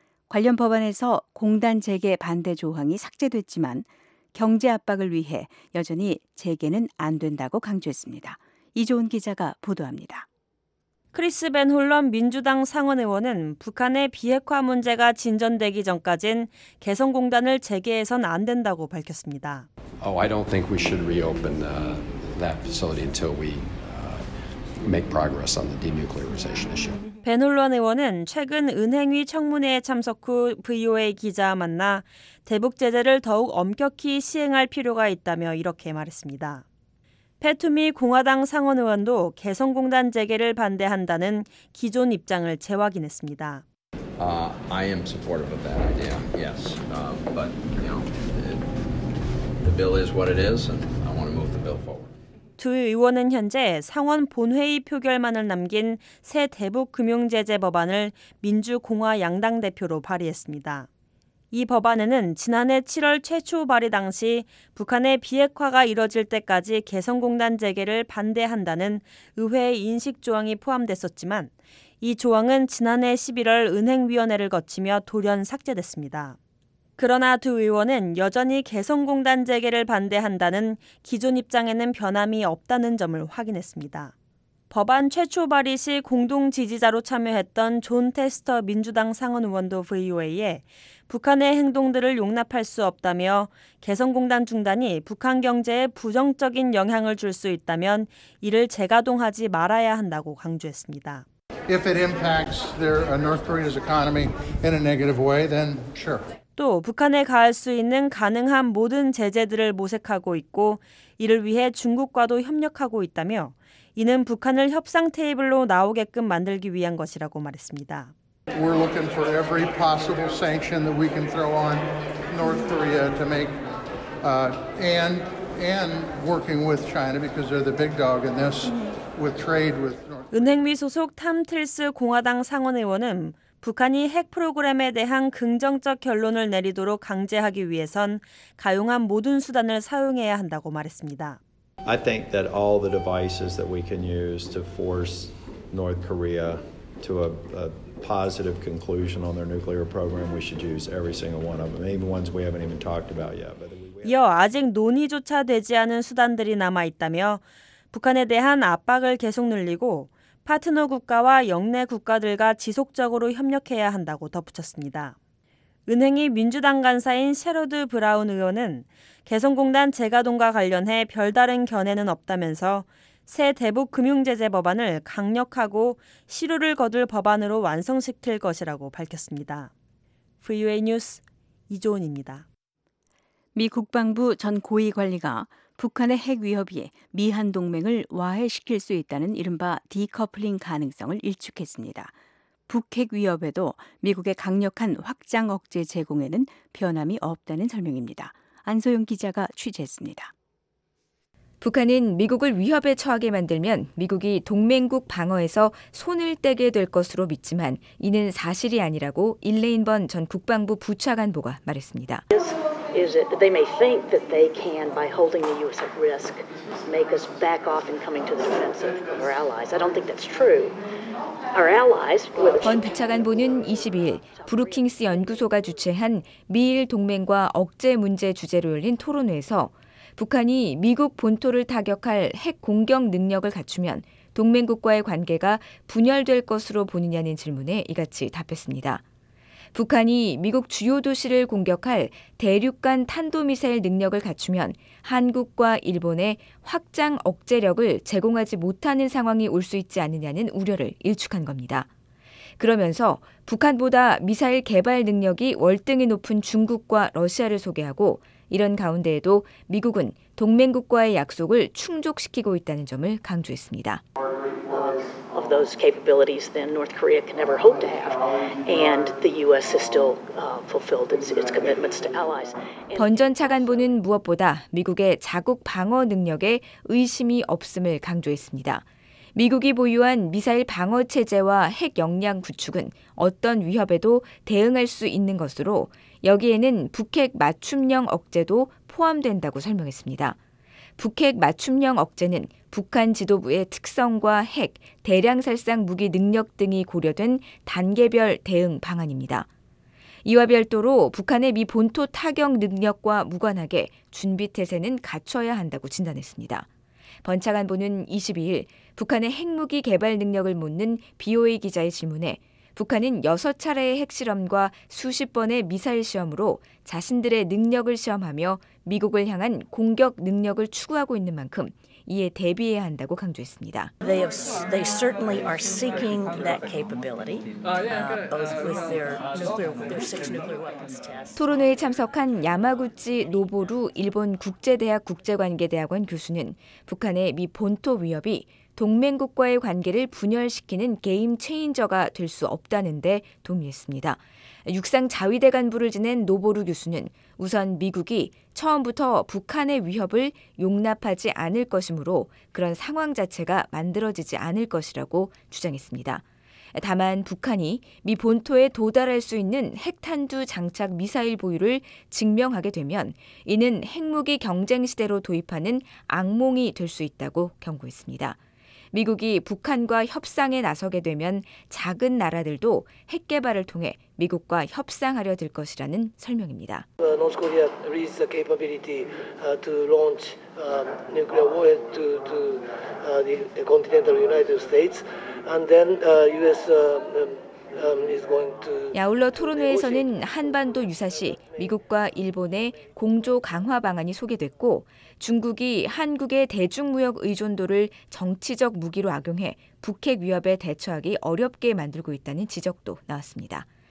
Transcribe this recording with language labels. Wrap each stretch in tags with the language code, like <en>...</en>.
<ko>관련 법안에서 공단 재개 반대 조항이 삭제됐지만 경제 압박을 위해 여전히 재개는 안 된다고 강조했습니다. 이조은 기자가 보도합니다. 크리스 벤 훌런 민주당 상원의원은 북한의 비핵화 문제가 진전되기 전까지는 개성공단을 재개해선 안 된다고 밝혔습니다.</ko> <en>Oh, I don't think we should reopen that facility until we make progress on the denuclearization issue.</en> <ko>벤 훌런 의원은 최근 은행위 청문회에 참석 후 VOA 기자와 만나 대북 제재를 더욱 엄격히 시행할 필요가 있다며 이렇게 말했습니다. 페투미 공화당 상원 의원도 개성공단 재개를 반대한다는 기존 입장을 재확인했습니다.</ko> <en>I am supportive of that idea. Yes. But you know, the bill is what it is and I want to move the bill forward.</en> <ko>두 의원은 현재 상원 본회의 표결만을 남긴 새 대북 금융 제재 법안을 민주공화 양당 대표로 발의했습니다. 이 법안에는 지난해 7월 최초 발의 당시 북한의 비핵화가 이뤄질 때까지 개성공단 재개를 반대한다는 의회의 인식 조항이 포함됐었지만 이 조항은 지난해 11월 은행위원회를 거치며 돌연 삭제됐습니다. 그러나 두 의원은 여전히 개성공단 재개를 반대한다는 기존 입장에는 변함이 없다는 점을 확인했습니다. 법안 최초 발의 시 공동 지지자로 참여했던 존 테스터 민주당 상원 의원도 VOA에 북한의 행동들을 용납할 수 없다며 개성공단 중단이 북한 경제에 부정적인 영향을 줄 수 있다면 이를 재가동하지 말아야 한다고 강조했습니다.</ko> <en>If it impacts their North Korea's economy in a negative way, then sure.</en> <ko>또 북한에 가할 수 있는 가능한 모든 제재들을 모색하고 있고 이를 위해 중국과도 협력하고 있다며 이는 북한을 협상 테이블로 나오게끔 만들기 위한 것이라고 말했습니다.</ko> <en>We're looking for every possible sanction that we can throw on North Korea to make and and working with China because they're the big dog in this with trade with North.</en> <ko>은행위 소속 탐 틸스 공화당 상원 의원은 북한이 핵 프로그램에 대한 긍정적 결론을 내리도록 강제하기 위해선 가용한 모든 수단을 사용해야 한다고 말했습니다.</ko> <en>I think that all the devices that we can use to force North Korea to a positive conclusion on their nuclear program, we should use every single one of them, even ones we haven't even talked about yet.</en> <ko>이어 아직 논의조차 되지 않은 수단들이 남아 있다며 북한에 대한 압박을 계속 늘리고 파트너 국가와 영내 국가들과 지속적으로 협력해야 한다고 덧붙였습니다. 은행이 민주당 간사인 셰러드 브라운 의원은 개성공단 재가동과 관련해 별다른 견해는 없다면서 새 대북 금융제재 법안을 강력하고 실효를 거둘 법안으로 완성시킬 것이라고 밝혔습니다. VOA 뉴스 이조은입니다. 미 국방부 전 고위 관리가 북한의 핵 위협이 미한 동맹을 와해시킬 수 있다는 이른바 디커플링 가능성을 일축했습니다. 북핵 위협에도 미국의 강력한 확장 억제 제공에는 변함이 없다는 설명입니다. 안소영 기자가 취재했습니다. 북한은 미국을 위협에 처하게 만들면 미국이 동맹국 방어에서 손을 떼게 될 것으로 믿지만 이는 사실이 아니라고 일레인 번 전 국방부 부차관 보가 말했습니다.</ko> <en>Is it they may think that they can by holding the U.S. at risk make us back off and coming to the defense of our allies? I don't think that's true. Our allies.</en> <ko>번 부차관보는 22일 브루킹스 연구소가 주최한 미일 동맹과 억제 문제 주제로 열린 토론회에서 북한이 미국 본토를 타격할 핵 공격 능력을 갖추면 동맹국과의 관계가 분열될 것으로 보느냐는 질문에 이같이 답했습니다. 북한이 미국 주요 도시를 공격할 대륙간 탄도미사일 능력을 갖추면 한국과 일본의 확장 억제력을 제공하지 못하는 상황이 올 수 있지 않느냐는 우려를 일축한 겁니다. 그러면서 북한보다 미사일 개발 능력이 월등히 높은 중국과 러시아를 소개하고 이런 가운데에도 미국은 동맹국과의 약속을 충족시키고 있다는 점을 강조했습니다.</ko> <en>Of those capabilities than North Korea can ever hope to have, and the U.S. has still fulfilled its commitments to allies.</en> <ko>번전 차관보는 무엇보다 미국의 자국 방어 능력에 의심이 없음을 강조했습니다. 미국이 보유한 미사일 방어 체제와 핵 역량 구축은 어떤 위협에도 대응할 수 있는 것으로 여기에는 북핵 맞춤형 억제도 포함된다고 설명했습니다. 북핵 맞춤형 억제는 북한 지도부의 특성과 핵, 대량살상 무기 능력 등이 고려된 단계별 대응 방안입니다. 이와 별도로 북한의 미 본토 타격 능력과 무관하게 준비태세는 갖춰야 한다고 진단했습니다. 번 차관보는 22일 북한의 핵무기 개발 능력을 묻는 BOA 기자의 질문에 북한은 6차례의 핵실험과 수십 번의 미사일 시험으로 자신들의 능력을 시험하며 미국을 향한 공격 능력을 추구하고 있는 만큼 이에 대비해야 한다고 강조했습니다.</ko> <en>They certainly are seeking that capability, both with their six nuclear weapons tests.</en> <ko>토론회에 참석한 야마구치 노보루 일본 국제대학 국제관계대학원 교수는 북한의 미 본토 위협이 동맹국과의 관계를 분열시키는 게임 체인저가 될 수 없다는 데 동의했습니다. 육상 자위대 간부를 지낸 노보루 교수는 우선 미국이 처음부터 북한의 위협을 용납하지 않을 것이므로 그런 상황 자체가 만들어지지 않을 것이라고 주장했습니다. 다만 북한이 미 본토에 도달할 수 있는 핵탄두 장착 미사일 보유를 증명하게 되면 이는 핵무기 경쟁 시대로 도입하는 악몽이 될 수 있다고 경고했습니다. 미국이 북한과 협상에 나서게 되면 작은 나라들도 핵 개발을 통해 미국과 협상하려 들 것이라는 설명입니다.</ko> <en>North Korea has the capability to launch nuclear warhead to the continental United States, and then U.S. is going to.</en> <ko>야울러 토론회에서는 한반도 유사시 미국과 일본의 공조 강화 방안이 소개됐고. 중국이 한국의 대중무역 의존도를 정치적 무기로 악용해 북핵 위협에 대처하기 어렵게 만들고 있다는 지적도 나왔습니다.</ko>